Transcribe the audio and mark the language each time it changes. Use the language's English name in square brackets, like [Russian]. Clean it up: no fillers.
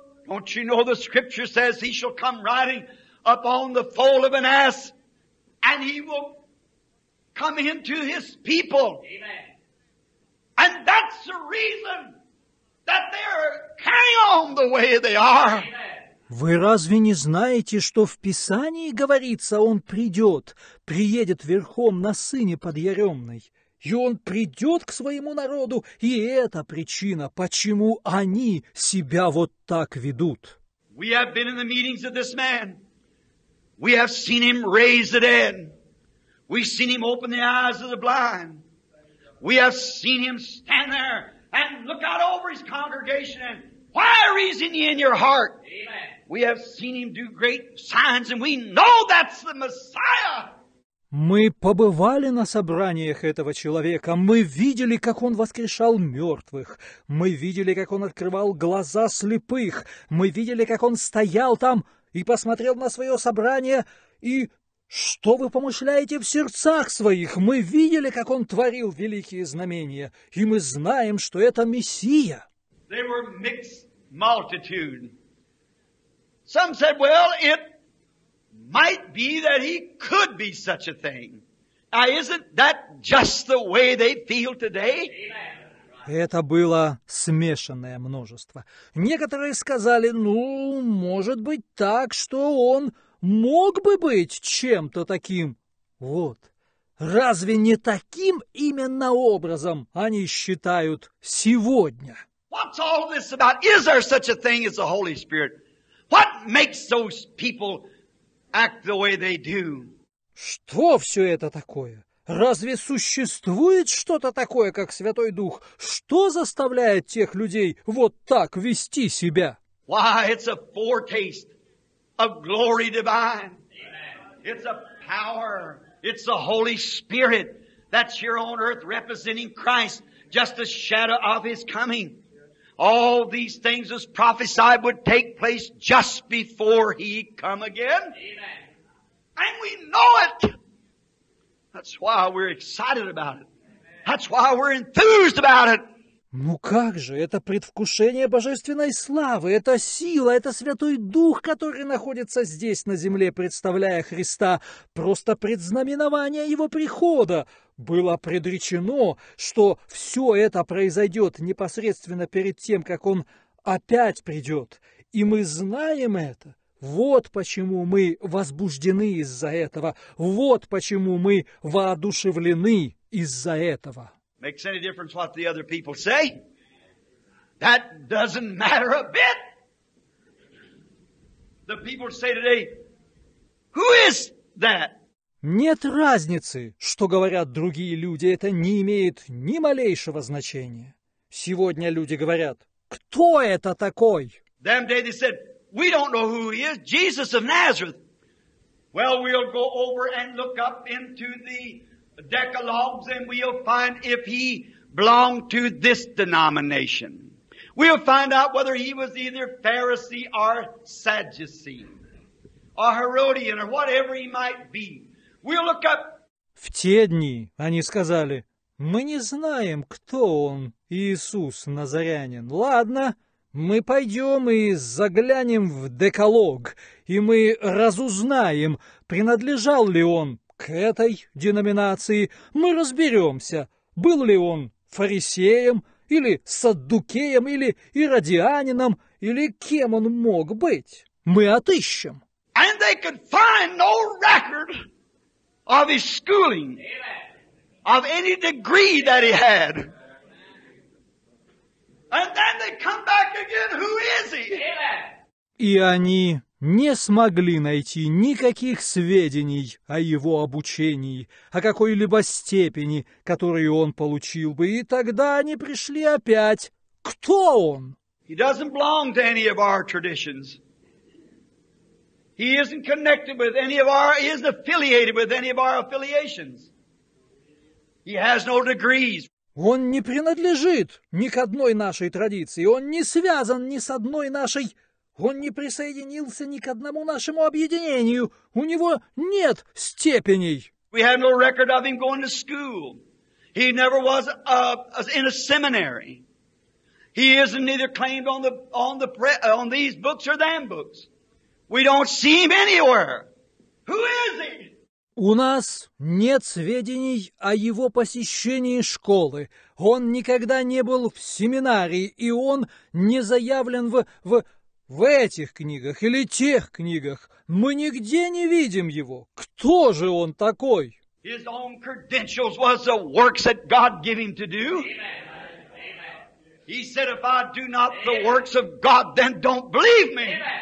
[English] Don't you know the scripture says he shall come riding upon the foal of an ass, and he will come into his people. Amen. And that's the reason that they're carrying on the way they are. Amen. [Russian] Вы разве не знаете, что в Писании говорится, он придет, приедет верхом на сыне подъяремной, и он придет к своему народу, и это причина, почему они себя вот так ведут. [English] We have been in the meetings of this man. We have seen him raise the dead. We've seen him open the eyes of the blind. We have seen him stand there and look out over his congregation. And why are he in your heart? Amen. We have seen him do great signs, and we know that's the Messiah. [Russian] Мы побывали на собраниях этого человека. Мы видели, как он воскрешал мертвых. Мы видели, как он открывал глаза слепых. Мы видели, как он стоял там и посмотрел на свое собрание, и что вы помышляете в сердцах своих? Мы видели, как он творил великие знамения, и мы знаем, что это Мессия. [English] They were mixed multitude. Some said, well, it might be that he could be such a thing. Now, isn't that just the way they feel today? Amen. [Russian] Это было смешанное множество. Некоторые сказали, ну, может быть так, что он мог бы быть чем-то таким. Вот. Разве не таким именно образом они считают сегодня? [English] What's all this about? Is there such a thing as the Holy Spirit? What makes those people act the way they do? [Russian] Что все это такое? Разве существует что-то такое, как Святой Дух? Что заставляет тех людей вот так вести себя? [English] Why, it's a foretaste of glory divine. It's a power. It's the Holy Spirit that's here on earth representing Christ, just a shadow of His coming. All these things was prophesied would take place just before He come again. Amen. And we know it. That's why we're excited about it. That's why we're enthused about it. [Russian] Ну как же, это предвкушение божественной славы, это сила, это Святой Дух, который находится здесь на земле, представляя Христа, просто предзнаменование Его прихода. Было предречено, что все это произойдет непосредственно перед тем, как Он опять придет. И мы знаем это. Вот почему мы возбуждены из-за этого. Вот почему мы воодушевлены из-за этого. [English] Makes any difference what the other people say? That doesn't matter a bit. The people say today, who is that? [Russian] Нет разницы, что говорят другие люди, это не имеет ни малейшего значения. Сегодня люди говорят, кто это такой? [English] Them day they said, we don't know who he is, Jesus of Nazareth. Well, we'll go over and look up into the Decalogues, and we'll find if he belonged to this denomination. We'll find out whether he was either Pharisee or Sadducee or Herodian or whatever he might be. We'll look up. [Russian] В те дни они сказали: мы не знаем, кто он, Иисус Назарянин. Ладно, мы пойдем и заглянем в Декалог, и мы разузнаем, принадлежал ли он к этой деноминации, мы разберемся, был ли он фарисеем, или саддукеем, или иродианином, или кем он мог быть. Мы отыщем. [English] And they could find no record of his schooling, of any degree that he had. And then they come back again, who is he? [Russian] И они не смогли найти никаких сведений о его обучении, о какой-либо степени, которую он получил бы. И тогда они пришли опять. Кто он? [English] He doesn't belong to any of our traditions. He isn't connected with any of our, he isn't affiliated with any of our affiliations. He has no degrees. [Russian] Он не принадлежит ни к одной нашей традиции. Он не связан ни с одной нашей. Он не присоединился ни к одному нашему объединению. У него нет степеней. [English] We have no record of him going to school. He never was in a seminary. He isn't either claimed on these books or them books. We don't see him anywhere. Who is he? [Russian] У нас нет сведений о его посещении школы. Он никогда не был в семинарии, и он не заявлен в этих книгах или тех книгах. Мы нигде не видим его. Кто же он такой? [English] His own credentials was the works that God gave him to do. Amen. He said, if I do not the works of God, then don't believe me.